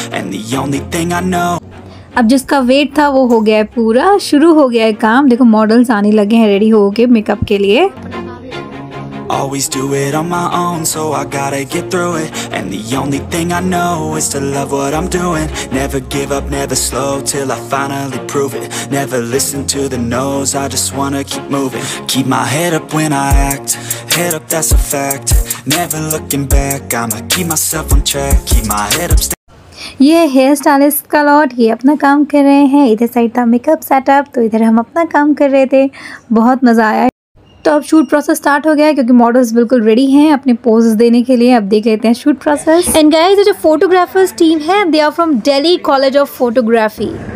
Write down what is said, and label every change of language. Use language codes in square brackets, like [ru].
[hi] अब जिसका वेट था वो हो गया है पूरा, शुरू हो गया है काम। देखो मॉडल्स आने लगे हैं रेडी होके मेकअप के लिए। [en] Always do it on my own, so I gotta get through it. And the only thing I know is to love what I'm doing. Never give up, never slow, till I finally prove it. Never listen to the no's, I just wanna keep moving. Keep my head up when I act, head up, that's a fact. Never looking back, I'ma keep myself on track. Keep my head up. [hi] ये hair stylist का lot, ये अपना काम कर रहे हैं। इधर side था मेकअप सेटअप, तो इधर हम अपना काम कर रहे थे। बहुत मज़ा आया। तो अब शूट प्रोसेस स्टार्ट हो गया है क्योंकि मॉडल्स बिल्कुल रेडी हैं अपने पोज़ देने के लिए। अब देख लेते हैं शूट प्रोसेस। [en] And guys, जो photographers team है they are from Delhi College of Photography.